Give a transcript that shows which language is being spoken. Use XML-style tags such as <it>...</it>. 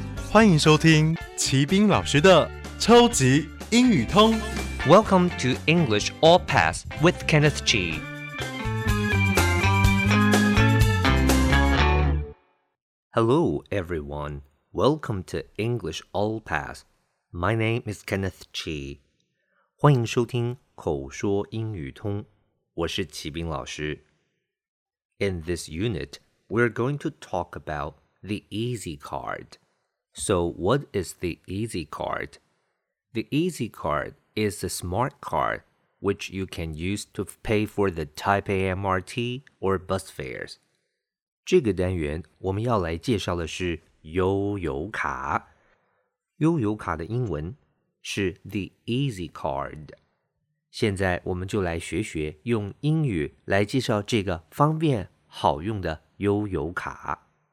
<zh>欢迎收听齐宾老师的超级英语通。</zh> <en>Welcome to English All Pass with Kenneth G. Hello, everyone. Welcome to English All Pass. My name is Kenneth G.</en> <zh>欢迎收听口说英语通。我是齐宾老师。</zh> <en>In this unit, we're going to talk about the Easy Card. So what is the Easy Card? The Easy Card is a smart card which you can use to pay for the Taipei MRT or bus fares.</en> <zh>这个单元我们要来介绍的是悠游卡。悠游卡的英文是 the Easy Card。现在我们就来学学用英语来介绍这个方便好用的悠游卡。</zh>